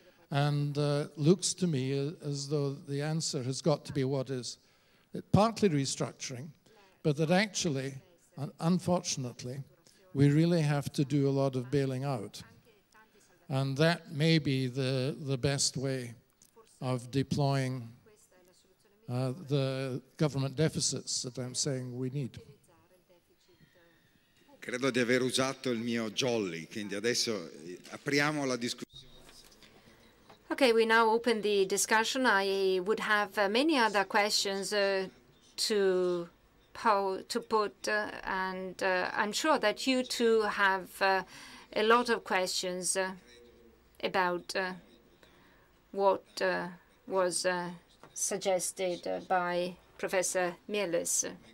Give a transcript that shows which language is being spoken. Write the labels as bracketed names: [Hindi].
[English] And looks to me as though the answer has got to be what is partly restructuring, but that actually, unfortunately, we really have to do a lot of bailing out. And that may be the best way of deploying the government deficits that I'm saying we need. [Italian] Credo di aver usato il mio jolly, quindi adesso apriamo la discussione. [English] Okay, we now open the discussion. I would have many other questions to put, and I'm sure that you too have a lot of questions about what was suggested by Professor Mirrlees.